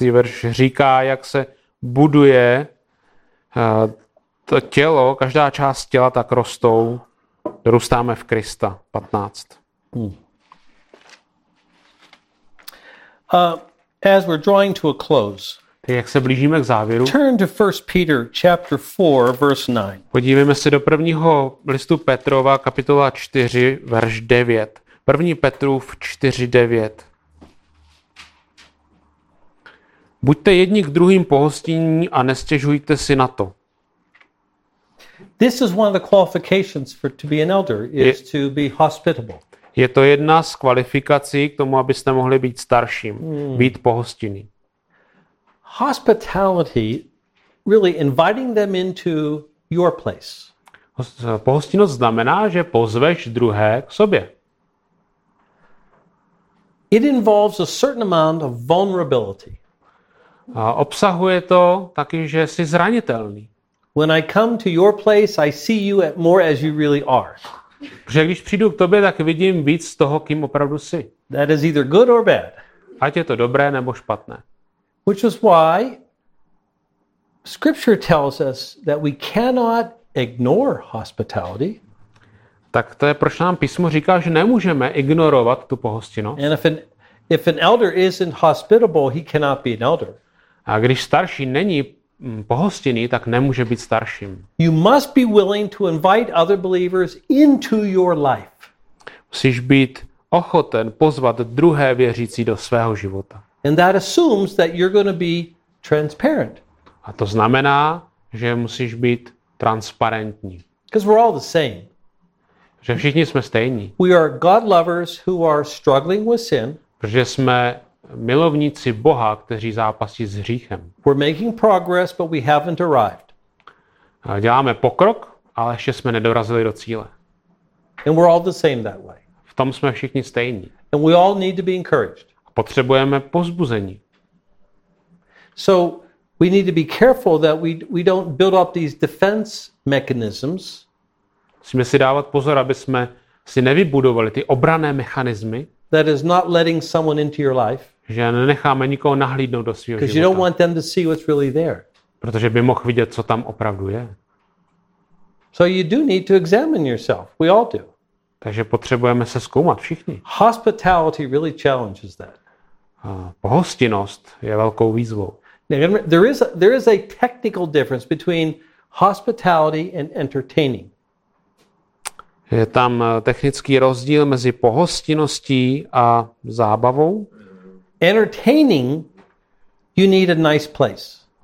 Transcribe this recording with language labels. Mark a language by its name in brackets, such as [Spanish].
[Czech] verš říká, jak se buduje to tělo, každá část těla tak rostou, dorůstáme v Krista. 15. [English] As we're drawing to a close. [Czech] Tak jak se blížíme k závěru. [English] Turn to 1 Peter chapter 4 verse 9. [Czech] Podívejme se do prvního listu Petrova kapitola 4 verš 9. 1. Petrův 4:9. Buďte jedni k druhým pohostinní a nestěžujte si na to. [English] This is one of the qualifications for to be an elder is to be hospitable. [Czech] Je to jedna z kvalifikací k tomu, abyste mohli být starším, být pohostinný. [English] Hospitality really inviting them into your place. [Czech] Pohostinnost znamená, že pozveš druhé k sobě. [English] It involves a certain amount of vulnerability. [Czech] A obsahuje to taky, že jsi zranitelný. [English] When I come to your place, I see you at more as you really are. [Czech] Protože když přijdu k tobě, tak vidím víc z toho, kým opravdu jsi. [English] That is either good or bad. [Czech] Ať je to dobré nebo špatné. [English] Which is why scripture tells us that we cannot ignore hospitality. [Czech] Tak to je, proč nám písmo říká, že nemůžeme ignorovat tu pohostinnost. [English] And if an elder isn't hospitable, he cannot be an elder. [Czech] A když starší není pohostinný, tak nemůže být starším. [English] You must be willing to invite other believers into your life. [Czech] Musíš být ochoten pozvat druhé věřící do svého života. [English] And that assumes that you're going to be transparent. [Czech] A to znamená, že musíš být transparentní. [English] Because we're all the same. [Czech] Že všichni jsme stejní. [English] We are God lovers who are struggling with sin. [Czech] Protože jsme milovníci Boha, kteří zápasí s hříchem. [English] We're making progress, but we haven't arrived. [Czech] Děláme pokrok, ale ještě jsme nedorazili do cíle. [English] And we're all the same that way. [Czech] V tom jsme všichni stejní. [English] And we all need to be encouraged. [Czech] Potřebujeme povzbuzení. [English] So we need to be careful that we don't build up these defense mechanisms. [Czech] Musíme si dávat pozor, aby jsme si nevybudovali ty obranné mechanismy. [English] That is not letting someone into your life. [Czech] Že nenecháme nikoho nahlídnout do svého života. [English] Because you don't want them to see what's really there. [Czech] Protože by mohl vidět, co tam opravdu je. [English] So you do need to examine yourself. We all do. [Czech] Takže potřebujeme se zkoumat všichni. [English] Hospitality really challenges that. [Czech] Pohostinnost je velkou výzvou. [English] There is a technical difference between hospitality and entertaining. [Czech] Je tam technický rozdíl mezi pohostinností a zábavou. [English] Entertaining, you need a nice place.